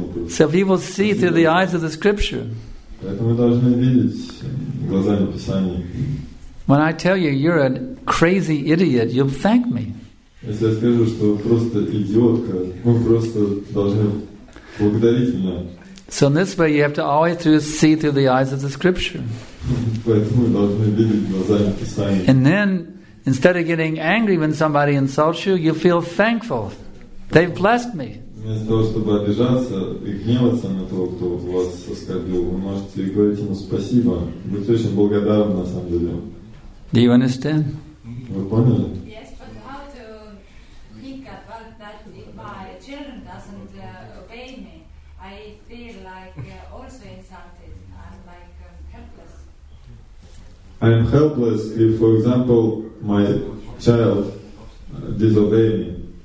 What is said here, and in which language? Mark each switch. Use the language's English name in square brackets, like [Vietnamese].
[English] So if you will see through the eyes of the scripture, when I tell you you're a crazy idiot, you'll thank me. [Russian] Если я скажу, что вы просто идиотка, вы просто должны благодарить меня. [English] So in this way you have to always see through the eyes of the scripture. [Russian] Поэтому вы должны видеть глазами Писания. [English] And then, instead of getting angry when somebody insults you, you feel thankful. They've blessed me. [Russian] Вместо того, чтобы обижаться и гневаться на того, кто вас оскорбил, вы можете говорить ему спасибо. Быть очень благодарным на самом деле. [English] Do you understand? Mm-hmm. [Russian] Вы поняли? [English] Yes, but how to think about that if my children doesn't obey me? I feel like also insulted. I'm like helpless. I'm helpless if, for example, my child disobey me.